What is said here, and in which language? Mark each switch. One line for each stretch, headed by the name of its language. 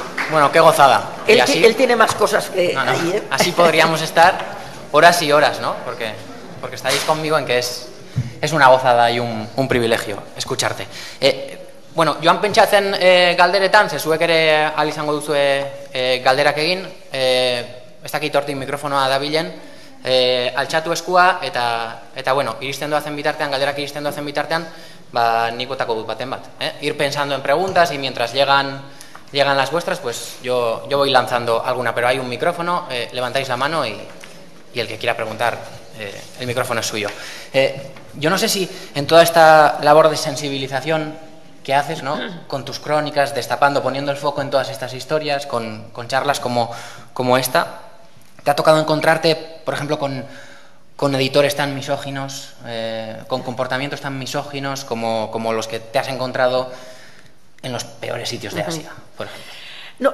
Spanish: Bueno, qué gozada. Él tiene más cosas que ahí, ¿eh? Así podríamos estar horas y horas, ¿no? Porque estáis conmigo en que es una gozada y un privilegio escucharte.
Basque: Bueno, joan pentsatzen galderetan, ze zuek ere ahal izango duzue galderak egin, ez dakit hortik mikrofonoa dabilen, altxatu eskua, eta bueno, galderak iristen doazen bitartean, ba, nikotako dut baten bat.
Spanish: Ir pensando en preguntas, y mientras llegan las vuestras, pues yo voy lanzando alguna, pero hay un micrófono, levantáis la mano y el que quiera preguntar, el micrófono es suyo. Yo no sé si en toda esta labor de sensibilización que haces, ¿no?, con tus crónicas, destapando, poniendo el foco en todas estas historias, con charlas como esta, ¿te ha tocado encontrarte, por ejemplo, con editores tan misóginos, con comportamientos tan misóginos como los que te has encontrado en los peores sitios de Asia, por ejemplo?